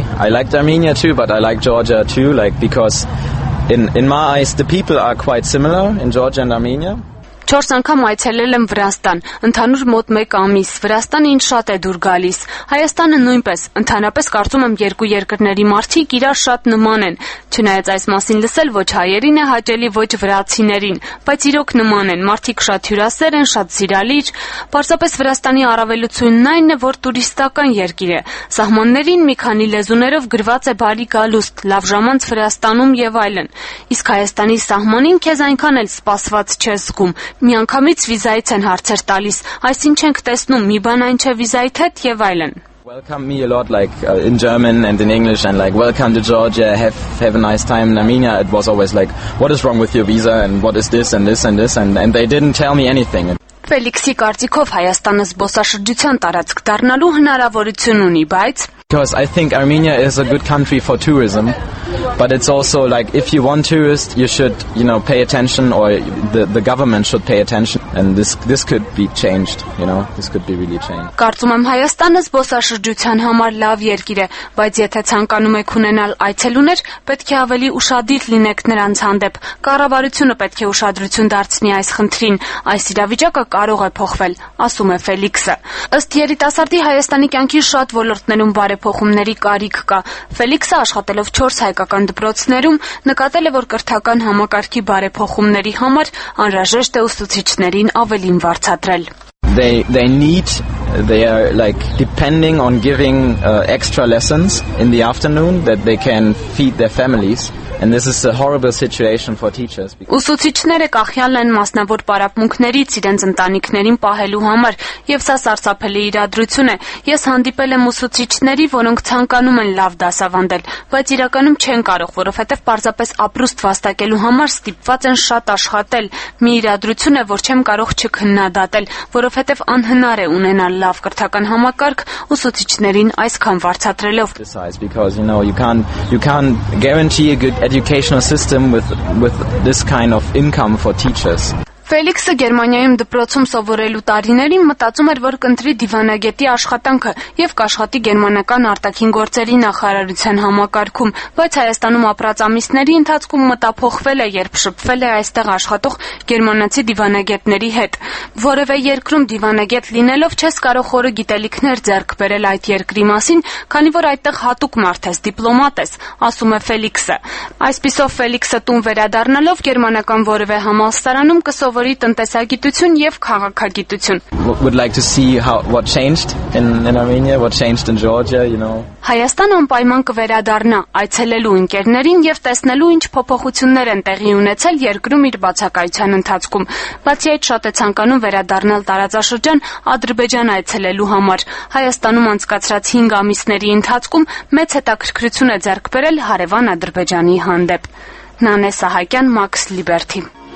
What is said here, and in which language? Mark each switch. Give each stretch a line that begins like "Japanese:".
English: I liked Armenia too, but I like Georgia too, like because in my eyes the people are quite similar in Georgia and Armenia.
Armenian: 4 անգամ այցելել եմ Վրաստան, ընդհանուր մոտ 1 ամիս։ Վրաստանը ինձ շատ է դուր գալիս։ Հայաստանը նույնպես, ընդհանրապես կարծում եմ երկու երկրների մարդիկ իրար շատ նման են։ Չնայած այս մասին լսել ոչ հայերին է հաճելի, ոչ վրացիներին, բայց իրոք նման են, մարդիկ շատ հյուրասեր են, շատ սիրալիր։ Պարզապես Վրաստանի առավելությունն այն է, որ տուրիստական երկիր է։ Սահմաններին մի քանի լեզուներով գրված է բարի գալուստ, լավ ժամանց Վրաստանում եւ այլն։ Իսկ Հայաստանի սահմանին քեզ այնքան էլ սպասված չես զգում։ Միանգամից վիզայից են հարցեր տալիս, այսինքն ենք տեսնում մի բան այն չէ վիզայից հետ եւ այլն։
English: Welcome me a lot like in German and in English and like welcome to Georgia, have a nice time in Armenia. It was always like what is wrong with your visa and what is this and this and this and they didn't tell me anything.
Armenian: Ֆելիքսի կարծիքով Հայաստանը զբոսաշրջության տարածք դառնալու հնարավորություն ունի, բայց
English: Because I think Armenia is a good country for tourism, but it's also like if you want tourists, you should, you know, pay attention, or the government should pay attention, and this could be changed, you know, this could be really changed.
Armenian: Կարծում եմ Հայաստանը զբոսաշրջության համար լավ երկիր է, բայց եթե ցանկանում եք ունենալ այցելուներ, պետք է ավելի ուշադիր լինեք նրանց հանդեպ։ Կառավարությունը պետք է ուշադրություն դարձնի այս խնդրին, այս իրավիճակը կարող է փոխվել, ասում է Ֆելիքսը։ Ըստ երիտասարդի Հայաստանի կյանքի շատ ոլորտներում բարեփոխումների կարիք կա։ Ֆելիքսը, աշխատելով 4 հայկական դպրոցներում, նկատել է, որ կրթական համակարգի բարեփոխումների համար անհրաժեշտ է ուսուցիչներին ավելին վարձատրել։
English: They are like depending on giving extra lessons in the afternoon that they can feed their families. And this is a horrible situation for teachers.
Armenian: Ուսուցիչները կախյալ են մասնավոր պարապմունքներից իրենց ընտանիքներին պահելու համար, եւ սա սարսափելի իրադրություն է։ Ես հանդիպել եմ ուսուցիչների, որոնք ցանկանում են լավ դասավանդել, բայց իրականում չեն կարող, որովհետեւ պարզապես ապրուստ վաստակելու համար ստիպված են շատ աշխատել։ Մի իրադրություն է, որ չեմ կարող չքննադատել, որովհետեւ անհնար է ունենալ լավ կրթական համակարգ ուսուցիչներին այսքան վարձատրելով։
English: Because you can't guarantee educational system with this kind of income for teachers.
Armenian: Ֆելիքսը Գերմանիայում դպրոցում սովորելու տարիներին մտածում էր, որ կընտրի դիվանագետի աշխատանքը եւ կաշխատի գերմանական արտաքին գործերի նախարարության համակարգում, բայց Հայաստանում ապրած ամիսների ընթացքում մտափոխվել է, երբ շփվել է այստեղ աշխատող գերմանացի դիվանագետների հետ։ Որևէ երկրում դիվանագետ լինելով չես կարող խորը գիտելիքներ ձեռք բերել այդ երկրի մասին, քանի որ այդտեղ հատուկ մարդ ես, դիպլոմատ ես, ասում է Ֆելիքսը։ Այսպիսով Ֆելիքսը տուն վերադառնալով գերմանական որևէ համալսարանում սովորի տնտեսագիտություն եւ քաղաքագիտություն։
English: Would like to see what changed in Armenia, what changed in Georgia, you know.
Armenian: Հայաստան անպայման կվերադառնա այցելելու ընկերներին եւ տեսնելու ինչ փոփոխություններ են տեղի ունեցել երկրում իր բացակայության ընթացքում։ Բացի այդ, շատ է ցանկանում վերադառնալ տարածաշրջան Ադրբեջան այցելելու համար։ Հայաստանում անցկացրած 5 ամիսների ընթացքում մեծ հետաքրքրություն է ձեռք բերել հարևան Ադրբեջանի հանդեպ։ Նանե Սահակյան, Max Liberty.